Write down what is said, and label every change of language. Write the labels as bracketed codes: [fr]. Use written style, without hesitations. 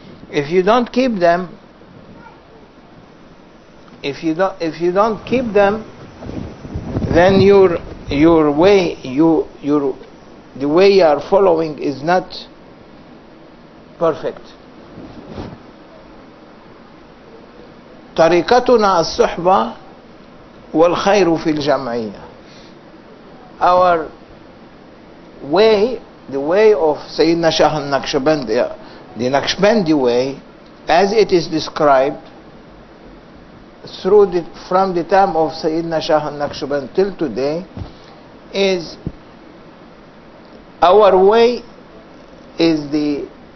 [en] If you don't keep them, if you don't keep them, then the way you are following is not perfect. [ar] طريقتنا الصحبة والخير في الجمعية. [en] Our way, the way of Sayyidina Shah al-Naqshbandi, the Naqshbandi way, as it is described from the time of Sayyidina Shah al-Naqshbandi till today, is our way is the